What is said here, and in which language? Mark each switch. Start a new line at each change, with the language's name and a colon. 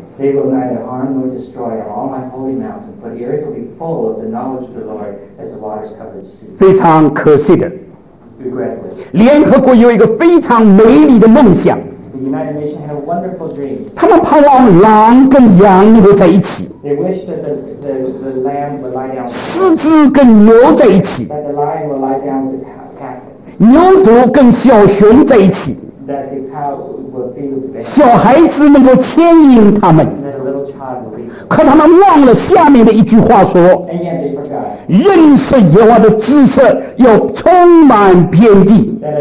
English: They will neither harm nor destroy all my holy mountain, for the earth will be full of the knowledge of the Lord as the waters cover the sea.
Chinese: 非常可惜的。
English: Regretfully.
Chinese: 联合国有一个非常美丽的梦想。
English: The United Nations had a wonderful dream.
Chinese: 他们盼望狼跟羊能够在一起。
English: They wish that the lamb would lie down with the calf.
Chinese: 狮子跟牛在一起。
English: That the lion would lie down with the calf.
Chinese: 牛犊跟小熊在一起。
English: That the cow
Chinese: 小孩子能够牵引他们可他们忘了下面的一句话说认识耶和华的知识要充满遍地